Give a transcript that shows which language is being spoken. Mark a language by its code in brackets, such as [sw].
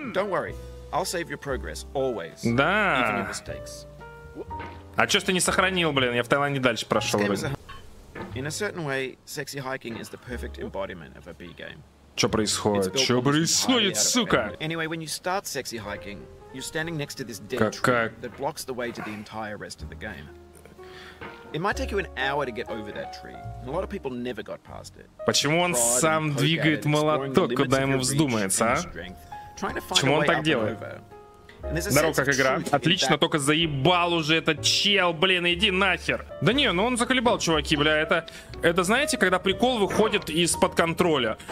[en] Don't worry, I'll save your progress always. [ru] Да. А чё ж ты не сохранил, блин? Я в Таиланде дальше прошёл. [en] In a certain way, sexy hiking is the perfect embodiment of a B game. [ru] Что происходит? Что происходит, сука? [en] Anyway, when you start sexy hiking, you're standing next to this dead tree that blocks the way to the entire rest of the game. It might take you an hour to get over that tree. And a lot of people never got past it. [ru] Почему он сам двигает молоток, куда ему вздумается, а? Почему он так делает? Здорово, как игра. Отлично, только заебал уже этот чел, блин, иди нахер. Да не, ну он заколебал, чуваки, бля, это знаете, когда прикол выходит из-под контроля.